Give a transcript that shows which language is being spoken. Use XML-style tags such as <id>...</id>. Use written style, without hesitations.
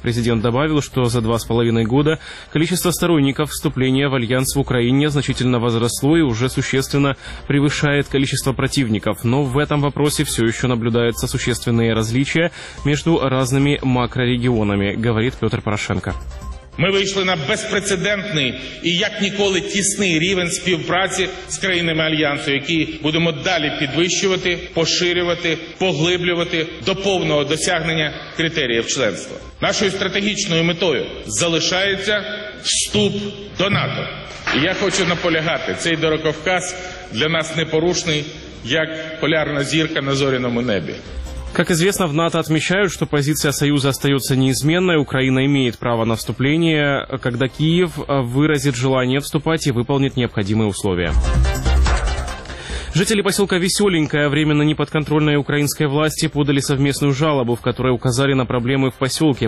<ru>Президент добавил, что за 2.5 года количество сторонников вступления в альянс в Украине значительно возросло и уже существенно превышает количество противников. Но в этом вопросе все еще наблюдаются существенные различия между разными макрорегионами, говорит Петр Порошенко.</ru> <uk>Ми вийшли на безпрецедентний і як ніколи тісний рівень співпраці з країнами Альянсу, які будемо далі підвищувати, поширювати, поглиблювати до повного досягнення критеріїв членства. Нашою стратегічною метою залишається вступ до НАТО. І я хочу наполягати, цей дороговказ для нас непорушний, як полярна зірка на зоряному небі.</uk> <ru>Как известно, в НАТО отмечают, что позиция Союза остается неизменной. Украина имеет право на вступление, когда Киев выразит желание вступать и выполнит необходимые условия. Жители поселка Веселенькое, временно неподконтрольной украинской власти, подали совместную жалобу, в которой указали на проблемы в поселке.</ru>